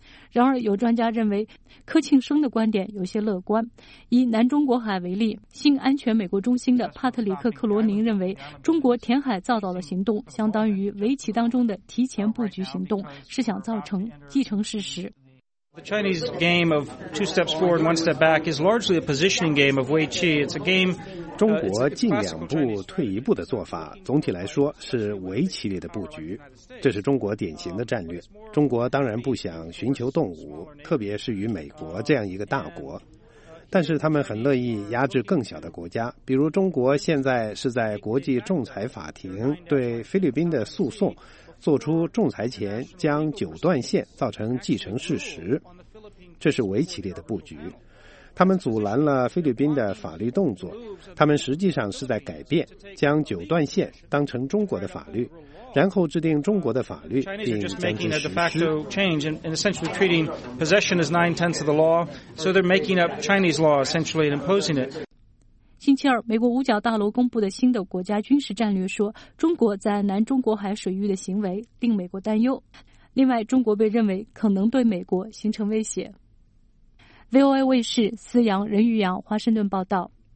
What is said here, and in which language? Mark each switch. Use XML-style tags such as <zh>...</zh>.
<zh>然而有专家认为柯庆生的观点有些乐观。以南中国海为例，新安全美国中心的帕特里克·克罗宁认为，中国填海造岛的行动相当于围棋当中的提前布局行动，是想造成既成事实。</zh> <en>The Chinese game of two steps forward and one step back is largely a positioning game of Wei Qi. It's a game.</en> <zh>中国进两步退一步的做法，总体来说是围棋里的布局，这是中国典型的战略。中国当然不想寻求动武，特别是与美国这样一个大国，但是他们很乐意压制更小的国家，比如中国现在是在国际仲裁法庭对菲律宾的诉讼做出仲裁前将九段线造成既成事实，这是围棋里的布局。他们阻拦了菲律宾的法律动作，他们实际上是在改变，将九段线当成中国的法律，然后制定中国的法律并将其实施。</zh> <en>Chinese are just making a de facto change and essentially treating possession as 9/10 of the law, so they're making up Chinese law essentially and imposing it.</en> <zh>星期二，美国五角大楼公布的新的国家军事战略说，中国在南中国海水域的行为令美国担忧，另外中国被认为可能对美国形成威胁。 VOA 卫视思阳任玉阳华盛顿报道。</zh>